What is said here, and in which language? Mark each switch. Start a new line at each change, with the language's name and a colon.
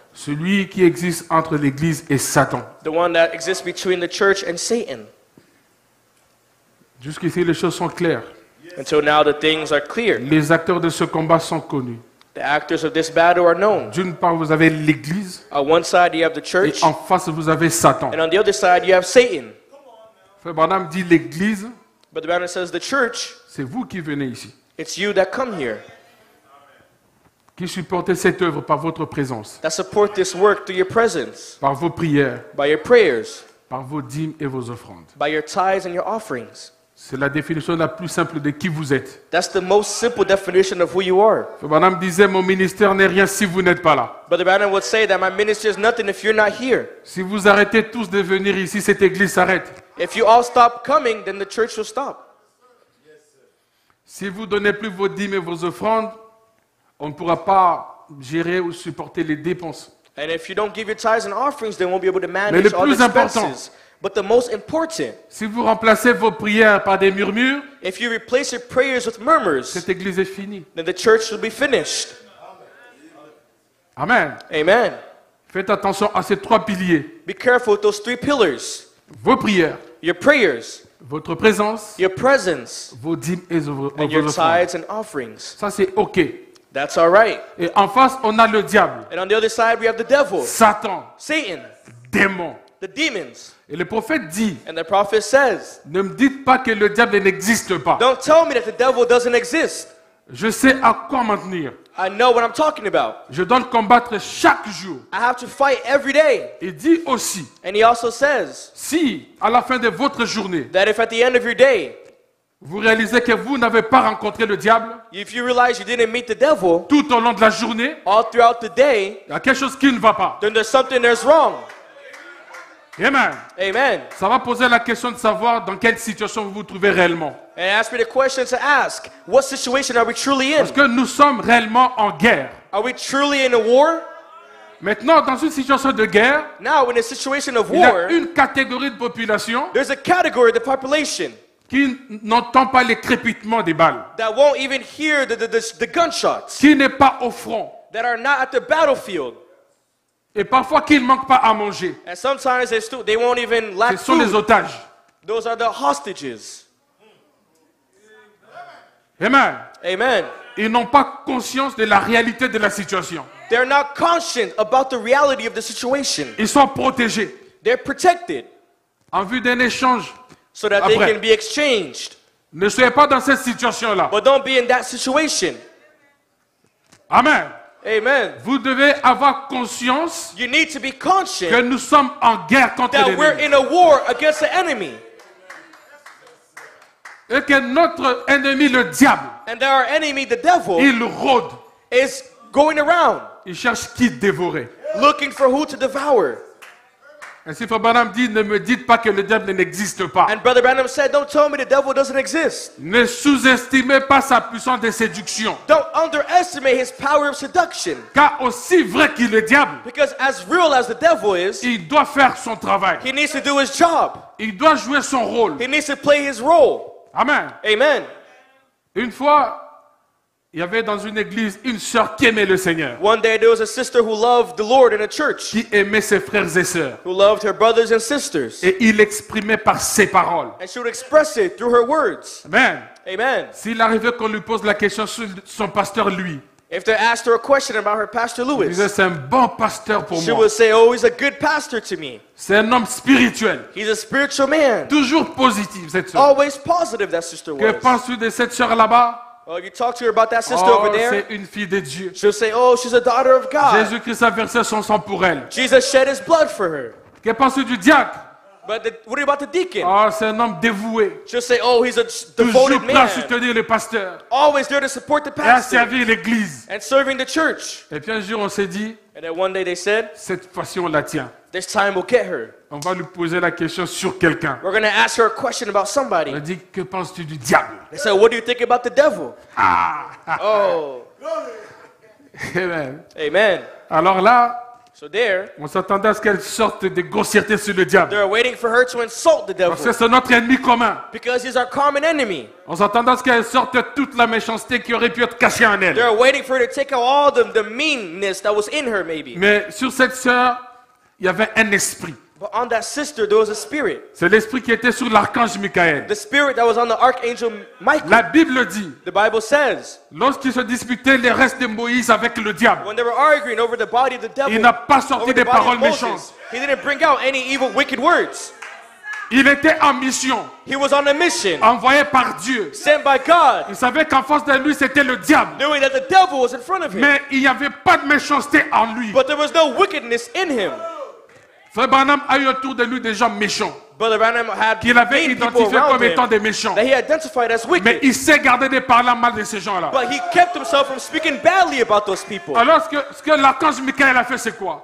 French: Celui qui existe entre l'Église et Satan.
English: The one that exists between the church and Satan.
French: Jusqu'ici, les choses sont claires.
English: Until now, the things are clear.
French: Les acteurs de ce combat sont connus.
English: The actors of this battle are known.
French: D'une part, vous avez l'Église.
English: On one side, you have the church.
French: Et en face, vous avez Satan.
English: And on the other side, you have Satan.
French: Frère Branham dit l'Église.
English: But the Bible says the church.
French: C'est vous qui venez ici.
English: It's you that come here.
French: Qui supportez cette œuvre par votre présence.
English: That support this work through your presence.
French: Par vos prières.
English: By your prayers.
French: Par vos dîmes et vos offrandes.
English: By your tithes and your offerings.
French: C'est la définition la plus simple de qui vous êtes.
English: That's the most simple definition of who you are.
French: Frère Branham disait, mon ministère n'est rien si vous n'êtes pas là.
English: Brother Branham would say that my ministry is nothing if you're not here.
French: Si vous arrêtez tous de venir ici, cette église s'arrête.
English: If you all stop coming, then the church will stop.
French: Si vous donnez plus vos dîmes et vos offrandes, on ne pourra pas gérer ou supporter les dépenses.
English: And if you don't give your tithes and offerings, then we won't be able to manage all the expenses.
French: Mais le plus important.
English: But the most important,
French: si vous remplacez vos prières par des murmures,
English: if you replace your prayers with murmurs,
French: cette église est finie.
English: Then the church will be finished. Amen. Amen.
French: Faites attention à ces trois piliers.
English: Be careful with those three pillars.
French: Vos prières.
English: Your prayers.
French: Votre présence.
English: Your presence.
French: Vos dîmes et vos offrandes.
English: And your tithes and offerings.
French: Ça c'est OK.
English: That's all right.
French: Et en face, on a le diable.
English: And on the other side, we have the devil.
French: Satan.
English: Satan.
French: Démon.
English: The demons.
French: Et le prophète dit,
English: and the prophet says,
French: ne me dites pas que le diable n'existe pas.
English: Don't tell me that the devil doesn't exist.
French: Je sais à quoi m'en tenir.
English: I know what I'm talking about.
French: Je dois le combattre chaque jour.
English: I have to fight every day.
French: Et dit aussi,
English: and he also says,
French: si à la fin de votre journée,
English: that if at the end of your day,
French: vous réalisez que vous n'avez pas rencontré le diable,
English: if you realize you didn't meet the devil,
French: tout au long de la journée,
English: all throughout the day,
French: il y a quelque chose qui ne va pas.
English: Then there's something that's wrong. Amen. Amen.
French: Ça va poser la question de savoir dans quelle situation vous vous trouvez réellement.
English: And ask me the question to ask, what situation are we truly in?
French: Parce que nous sommes réellement en guerre.
English: Are we truly in a war?
French: Maintenant, dans une situation de guerre,
English: now, in a situation of war,
French: il y a une catégorie de population,
English: there's a category of the population
French: qui n'entend pas les crépitements des balles,
English: that won't even hear the gunshots,
French: qui n'est pas au front,
English: that are not at the battlefield.
French: Et parfois qu'ils ne manquent pas à manger.
English: And sometimes they won't even lack food.
French: Ce sont les otages.
English: Those are the hostages. Amen. Amen.
French: Ils n'ont pas conscience de la réalité de la situation.
English: They're not conscious about the reality of the situation.
French: Ils sont protégés.
English: They're protected.
French: En vue d'un échange.
English: So that
French: après.
English: They can be exchanged.
French: Ne soyez pas dans cette situation-là.
English: But don't be in that situation. Amen. Amen.
French: Vous devez avoir conscience,
English: you need to be conscious,
French: que nous sommes en guerre contre l'ennemi.
English: That we're in a war against the enemy.
French: Et que notre ennemi, le diable,
English: and that our enemy, the devil,
French: il rôde,
English: is going around,
French: il cherche qui dévorer,
English: looking for who to devour.
French: Et si Frère Branham dit, ne me dites pas que le diable n'existe pas.
English: And Brother Branham said, don't tell me the devil doesn't exist.
French: Ne sous-estimez pas sa puissance de séduction.
English: Don't underestimate his power of seduction.
French: Car aussi vrai qu'il est diable,
English: because as real as the devil is,
French: il doit faire son travail.
English: He needs to do his job.
French: Il doit jouer son rôle.
English: He needs to play his role. Amen. Amen.
French: Une fois, il y avait dans une église une sœur qui aimait le Seigneur.
English: One day there was a sister who loved the Lord in a church.
French: Qui aimait ses frères et sœurs.
English: Who loved her brothers and sisters.
French: Et il exprimait par ses paroles.
English: And she would express it through her words. Amen. Amen.
French: S'il arrivait qu'on lui pose la question sur son pasteur lui.
English: If they asked her a question about her pastor Louis.
French: Il disait, c'est un bon pasteur pour
English: she
French: moi.
English: She would say, oh, he's a good pastor to me.
French: C'est un homme spirituel.
English: He's a spiritual man.
French: Toujours positive cette sœur.
English: Always positive that sister was.
French: Que penses-tu de cette sœur là-bas?
English: Well, if you talk to her about that sister oh, over there,
French: c'est une fille de Dieu.
English: She'll say, oh, she's a daughter of God.
French: Jésus-Christ a versé son sang pour elle.
English: Jesus shed his blood for her.
French: Que penses-tu du diacre?
English: But what about the deacon?
French: Oh, c'est un homme dévoué.
English: She'll say, oh, he's a devoted
French: toujours
English: man.
French: Toujours prêt à soutenir le pasteur.
English: Always there to support the pastor.
French: Et à servir l'église.
English: And serving the church.
French: Et puis un jour, on s'est dit,
English: and then one day they said,
French: cette passion la tient.
English: This time will get her.
French: On va lui poser la question sur quelqu'un.
English: We're going to ask her a question about somebody.
French: On dit, que penses-tu du diable?
English: They said, what do you think about the devil? Ah! Oh! Amen. Amen.
French: Alors là,
English: So there,
French: on s'attendait à ce qu'elle sorte des grossièretés sur le diable.
English: They're waiting for her to insult the devil.
French: Parce que c'est notre ennemi commun.
English: Because he's our common enemy.
French: On s'attendait à ce qu'elle sorte toute la méchanceté qui aurait pu être cachée en elle.
English: They're waiting for her to take out all the meanness that was in her, maybe.
French: Mais sur cette sœur, il y avait un esprit.
English: But on that sister, there was a spirit.
French: C'est l'esprit qui était sur l'archange Michael.
English: The spirit that was on the archangel Michael.
French: La Bible dit.
English: The Bible says.
French: Lorsqu'ils se disputaient les restes de Moïse avec le diable.
English: When they were arguing over the body of the devil.
French: Il n'a pas sorti des paroles méchantes.
English: He didn't bring out any evil, wicked words.
French: Il était en mission.
English: He was on a mission.
French: Envoyé par Dieu.
English: Sent by God.
French: Il savait qu'en face de lui c'était le diable.
English: Knowing that the devil was in front of him.
French: Mais il n'y avait pas de méchanceté en lui.
English: But there was no wickedness in him.
French: Frère Branham a eu autour de lui des gens méchants qu'il avait identifié comme étant des méchants.
English: That he identified as wicked.
French: Mais il s'est gardé de parler mal de ces gens-là.
English: But he kept himself from speaking badly about those people.
French: Alors ce que l'archange Michael a fait, c'est quoi?